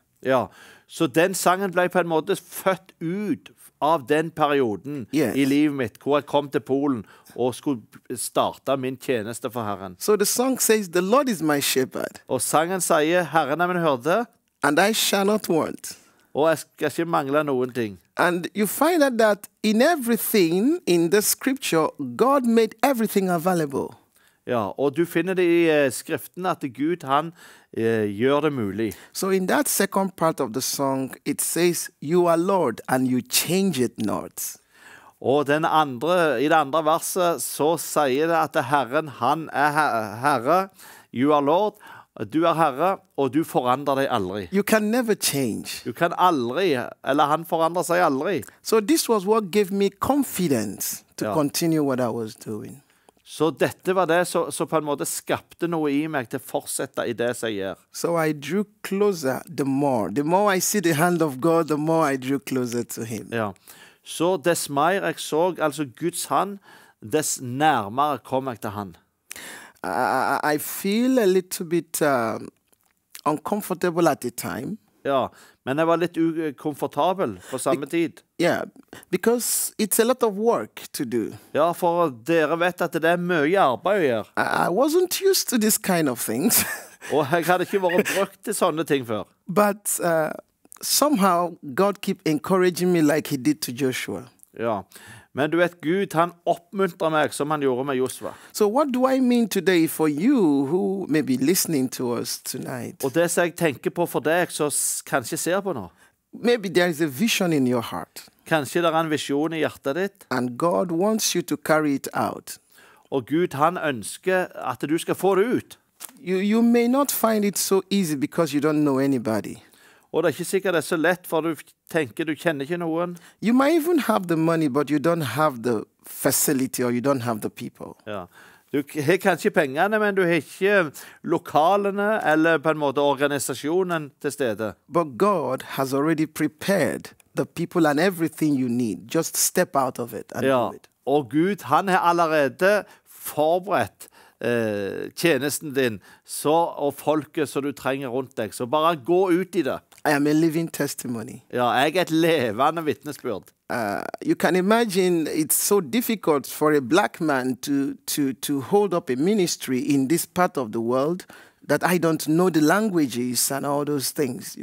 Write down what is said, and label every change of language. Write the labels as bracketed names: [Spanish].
[Norwegian] Ja, så den sangen ble på en måte født ut av den perioden i livet mitt, hvor jeg kom til Polen og skulle starte min tjeneste for Herren. [English] So the song says, the Lord is my shepherd. [Norwegian] Og sangen sier, Herren er min hørde. [English] And I shall not want. [Norwegian] Og jeg skal ikke mangle noen ting. [English] And you find out that in everything in the scripture, God made everything available. [Norwegian] Ja, og du finner det i skriften at Gud, han gjør det mulig. [English] So in that second part of the song, it says, you are Lord, and you change it not. [Norwegian] Og i det andre verset, så sier det at Herren, han er Herre. [English] You are Lord, [Norwegian] du er Herre, og du forandrer deg aldri. [English] You can never change. [Norwegian] Du kan aldri, eller han forandrer seg aldri. [English] So this was what gave me confidence to continue what I was doing. [Norwegian] Så dette var det som på en måte skapte noe i meg til å fortsette i det jeg gjør. [English] So I drew closer the more I see the hand of God, the more I drew closer to him. [Norwegian] Ja. Så dess mer jeg så altså Guds hand, dess nærmere kom jeg til han. [English] I feel a little bit uncomfortable at the time. [Norwegian] Ja, men jeg var litt ukomfortabel på samme tid. [English] Yeah, because it's a lot of work to do. [Norwegian] Ja, for dere vet at det er mye arbeid å gjøre. [English] I wasn't used to this kind of things. [Norwegian] Og jeg hadde ikke vært brukt til sånne ting før. [English] But somehow God keep encouraging me like he did to Joshua. [Norwegian] Ja, men du vet, Gud han oppmuntrer meg som han gjorde med Josua. [English] So what do I mean today for you who may be listening to us tonight? [Norwegian] Og det som jeg tenker på for deg som kanskje ser på nå. [English] Maybe there is a vision in your heart. [Norwegian] Kanskje det en visjon i hjertet ditt. [English] And God wants you to carry it out. [Norwegian] Og Gud han ønsker at du skal få det ut. [English] You may not find it so easy because you don't know anybody. [Norwegian] Og det er ikke sikkert det er så lett, for du tenker du kjenner ikke noen. [English] You might even have the money, but you don't have the facility, or you don't have the people. [Norwegian] Ja. Du har kanskje pengene, men du har ikke lokalene, eller på en måte organisasjonen til stede. [English] But God has already prepared the people and everything you need. Just step out of it and ja. Do it. [Norwegian] Og Gud, han har allerede forberedt tjenesten din, så, og folket som du trenger rundt deg. Så bare gå ut i det. [English] I am a living testimony. [Norwegian] Ja, jeg er et levende vitnesbyrd. [English] You can imagine it's so difficult for a black man to hold up a ministry in this part of the world that I don't know the languages and all those things.